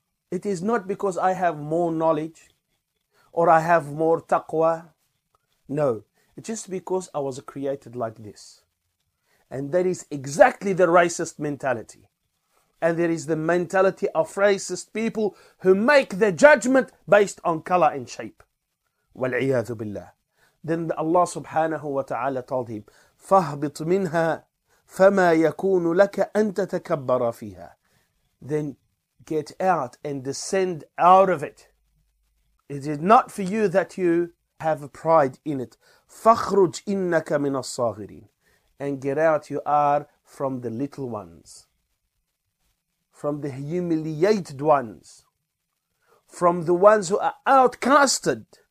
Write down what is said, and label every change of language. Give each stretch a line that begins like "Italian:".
English: It is not because I have more knowledge or I have more taqwa. No. It's just because I was created like this. And that is exactly the racist mentality. And there is the mentality of racist people who make the judgment based on color and shape.
Arabic: وَالْعِيَاذُ بِاللَّهِ. Then Allah subhanahu wa ta'ala told him, فَاهْبِطْ مِنْهَا فَمَا يَكُونُ لَكَ أَن تَتَكَبَّرَ فِيهَا.
English: Then get out and descend out of it. It is not for you that you have a pride in it.
Arabic: فَخْرُجْ إِنَّكَ مِنَ الصَّاغِرِينَ.
English: And get out, you are from the little ones, from the humiliated ones, from the ones who are outcasted.